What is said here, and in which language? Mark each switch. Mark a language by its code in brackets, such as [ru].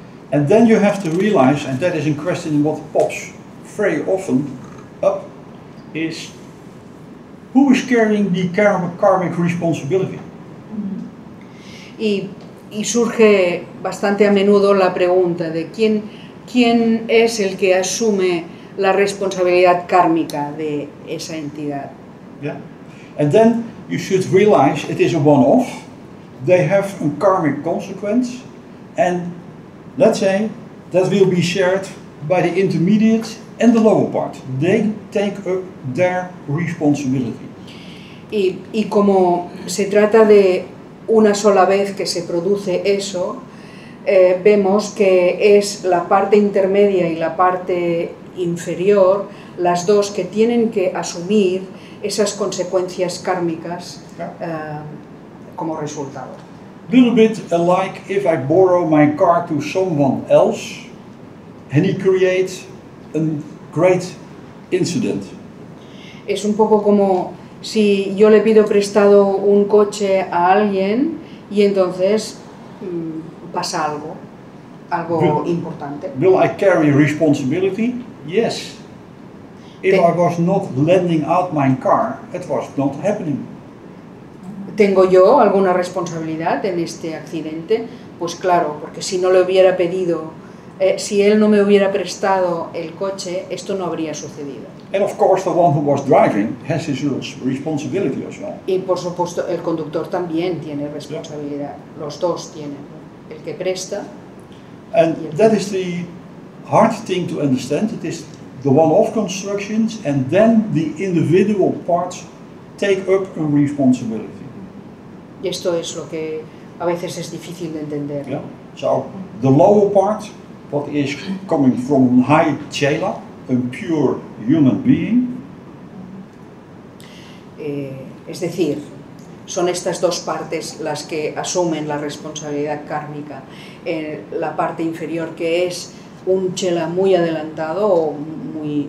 [en] And then you have to realize, and that is a question what pops very often up, is who is carrying the karmic responsibility? [es] Y surge bastante a menudo la pregunta de quién es el que asume la responsabilidad kármica de esa entidad. [en] Yeah. And then you should realize it is a one-off. They have a karmic consequence and let's say that will be shared by the intermediate and the lower part. They take up their responsibility. [es] Y como se trata de una sola vez que se produce eso, vemos que es la parte intermedia y la parte inferior las dos que tienen que asumir esas consecuencias kármicas como resultado. [en] A little bit like if I borrow my car to someone else and he creates a great incident. [es] Es un poco como si yo le pido prestado un coche a alguien y entonces pasa algo importante. [en] Will I carry responsibility? Yes. If I was not lending out my car, it was not happening. [es] ¿Tengo yo alguna responsabilidad en este accidente? Pues claro, porque si no le hubiera pedido, si él no me hubiera prestado el coche, esto no habría sucedido. [en] And of course the one who was driving has his responsibility as well. [es] Y por supuesto el conductor también tiene responsabilidad. Yeah. Los dos tienen, el que presta. [en] And that is the hard thing to understand. It is the one-off constructions and then the individual parts take up a responsibility. [es] Y esto es lo que a veces es difícil de entender. [en] Yeah. So, the lower part, what is coming from high chela, a pure human being. [es] Es decir, son estas dos partes las que asumen la responsabilidad kármica. La parte inferior que es un chela muy adelantado o muy...